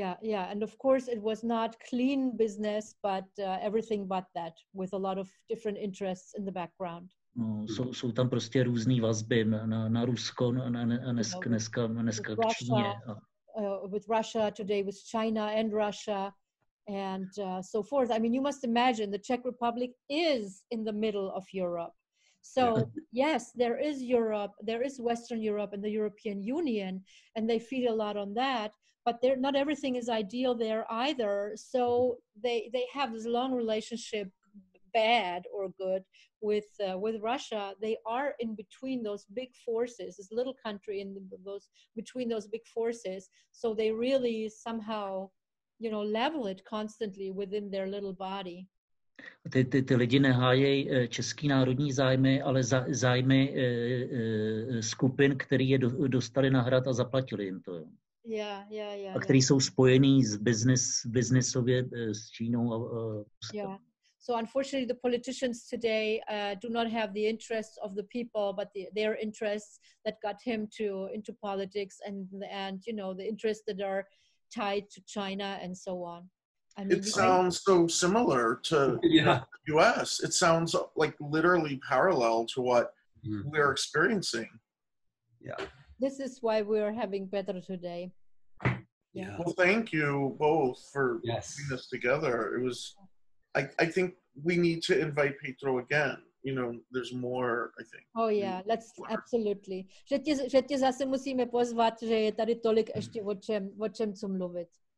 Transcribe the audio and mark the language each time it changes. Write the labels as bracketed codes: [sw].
[en] Yeah, and of course it was not clean business, but everything but that, with a lot of different interests in the background. [cs] No, jsou tam prostě různé vazby na Rusko, dneska k Číně. [en] With Russia, today with China and Russia, and so forth. I mean, you must imagine the Czech Republic is in the middle of Europe. So, yes, there is Europe, there is Western Europe and the European Union, and they feed a lot on that, but not everything is ideal there either. So they have this long relationship, bad or good, with Russia. They are in between those big forces, this little country between those big forces. So they really somehow, you know, level it constantly within their little body. [cs] Ty lidi nehájej český národní zájmy, ale zájmy skupin, který je dostali na hrad a zaplatili jim to. [en] Yeah. [cs] A který jsou spojený s biznisově s Čínou a [en] So unfortunately, the politicians today do not have the interests of the people, but their interests that got him into politics and you know, the interests that are tied to China and so on. I mean, it sounds so similar to the U.S. It sounds like literally parallel to what we're experiencing. Yeah. This is why we're having Petr today. Yeah. Well, thank you both for putting this together. It was, I think, we need to invite Petro again. You know, there's more, I think. Oh yeah, let's absolutely. [cs] Že tě zase musíme pozvat, že je tady tolik ještě o čem co mluvit.